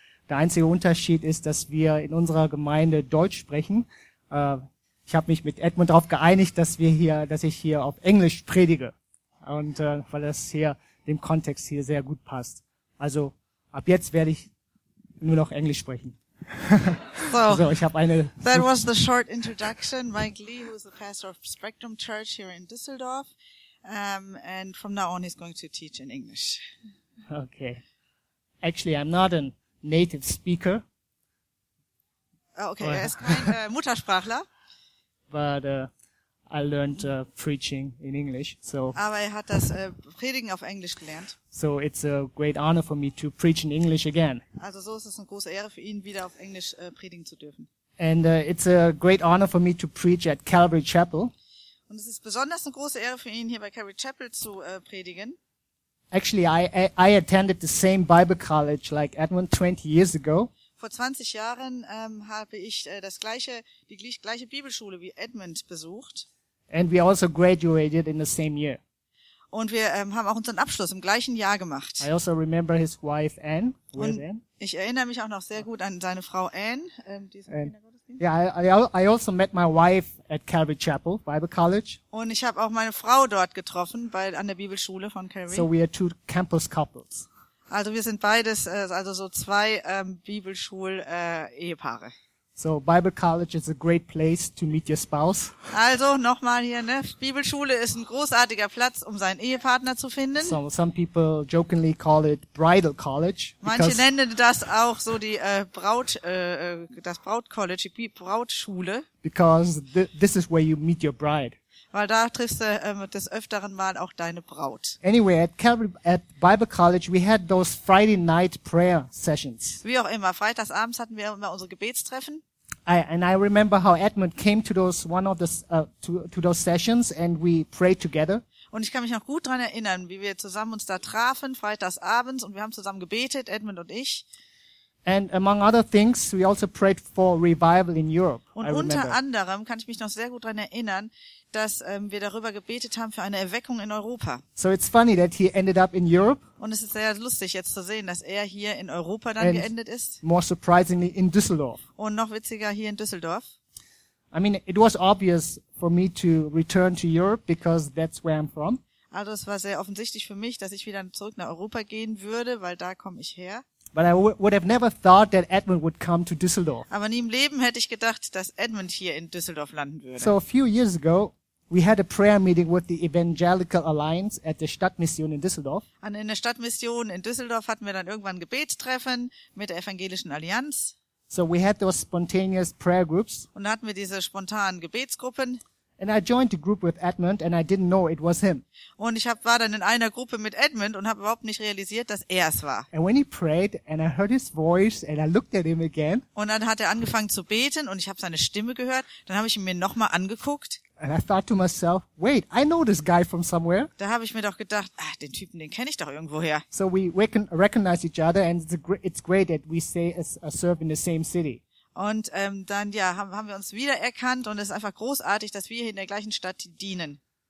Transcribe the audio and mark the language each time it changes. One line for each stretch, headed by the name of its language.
German: Der einzige Unterschied ist, dass wir in unserer Gemeinde Deutsch sprechen. Ich habe mich mit Edmund darauf geeinigt, dass ich hier auf Englisch predige. Und weil das hier dem Kontext hier sehr gut passt. Also ab jetzt werde ich nur noch Englisch sprechen. So, ich habe eine.
English: That was the short introduction. Mike Lee, who is the pastor of Spectrum Church here in Düsseldorf, and from now on he's going to teach in English. Okay. Actually, I'm not a native speaker.
German: Okay, er ist kein Muttersprachler.
English: But I learned preaching in English. So.
German: Aber er hat das Predigen auf Englisch gelernt.
English: So it's a great honor for me to preach in English again.
German: Also so ist es eine große Ehre für ihn, wieder auf Englisch predigen zu dürfen.
English: And it's a great honor for me to preach at Calvary Chapel.
German: Und es ist besonders eine große Ehre für ihn, hier bei Calvary Chapel zu predigen.
English: Actually, I attended the same Bible college like Edmund 20 years ago.
German: Vor 20 Jahren habe ich die gleiche Bibelschule wie Edmund besucht.
English: And we also graduated in the same year.
German: Und wir haben auch unseren Abschluss im gleichen Jahr gemacht.
English: I also remember his wife Anne.
German: Und ich erinnere mich auch noch sehr gut an seine Frau Anne.
English: I also met my wife at Calvary Chapel Bible College.
German: Und ich habe auch meine Frau dort getroffen an der Bibelschule von Calvary.
English: So we are 2 campus couples.
German: Also wir sind beides, also so 2 Bibelschul-Ehepaare.
English: So Bible College is a great place to meet your spouse.
German: Also nochmal hier, ne? Bibelschule ist ein großartiger Platz, um seinen Ehepartner zu finden.
English: Some people jokingly call it Bridal College.
German: Manche nennen das auch so die Braut-College, die Brautschule.
English: Because this is where you meet your bride.
German: Weil da triffst du des öfteren Mal auch deine Braut.
English: Anyway, at Bible College we had those Friday night prayer sessions.
German: Wie auch immer, freitagsabends hatten wir immer unsere Gebetstreffen.
English: I remember how Edmund came to those those sessions and we prayed together.
German: Und ich kann mich noch gut dran erinnern, wie wir zusammen uns da trafen freitagsabends und wir haben zusammen gebetet, Edmund und ich.
English: And among other things, we also prayed for revival in Europe.
German: Und unter anderem kann ich mich noch sehr gut dran erinnern, dass wir darüber gebetet haben für eine Erweckung in Europa.
English: So it's funny that he ended up in Europe.
German: Und es ist sehr lustig jetzt zu sehen, dass er hier in Europa dann geendet ist.
English: More surprisingly in Düsseldorf.
German: Und noch witziger hier in Düsseldorf.
English: I mean, it was obvious for me to return to Europe because that's where I'm from.
German: Also es war sehr offensichtlich für mich, dass ich wieder zurück nach Europa gehen würde, weil da komme ich her.
English: But I would have never thought that Edmund would come to Düsseldorf.
German: Aber nie im Leben hätte ich gedacht, dass Edmund hier in Düsseldorf landen würde.
English: So a few years ago, we had a prayer meeting with the Evangelical Alliance at the Stadtmission in Düsseldorf.
German: An in der Stadtmission in Düsseldorf hatten wir dann irgendwann ein Gebetstreffen mit der Evangelischen Allianz.
English: So we had those spontaneous prayer groups.
German: Und hatten wir diese spontanen Gebetsgruppen.
English: And I joined the group with Edmund and I didn't know it was him.
German: Und ich war dann in einer Gruppe mit Edmund und habe überhaupt nicht realisiert, dass er es war.
English: And when he prayed and I heard his voice and I looked at him again.
German: Und dann hat er angefangen zu beten und ich habe seine Stimme gehört, dann habe ich ihn mir noch mal angeguckt.
English: And I thought to myself, wait, I know this guy from somewhere.
German: Da habe ich mir doch gedacht, ach, den Typen, den kenne ich doch irgendwoher.
English: So we recognize each other and it's great that we stay as serve in the same city.
German: Und dann ja, haben wir uns wiedererkannt und es ist einfach großartig, dass wir hier in der gleichen Stadt dienen.